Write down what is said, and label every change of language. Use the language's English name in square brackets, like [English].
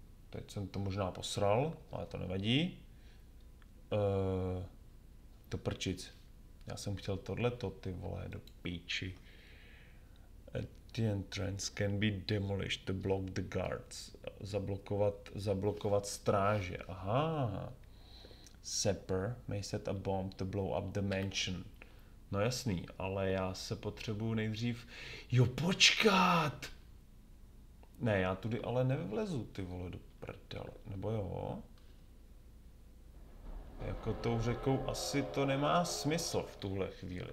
[Czech] Teď jsem to možná posral, ale to nevadí. To prčic. Já jsem chtěl tohleto, ty vole, do píči. [English] The entrance can be demolished to block the guards. [Czech] Zablokovat stráže. Aha. [English] Sepper may set a bomb to blow up the mansion. [Czech] No jasný, ale já se potřebuju nejdřív... Jo, počkat! Ne, já tudy ale nevlezu, ty vole, do prdele. Nebo jo? Jako tou řekou asi to nemá smysl v tuhle chvíli.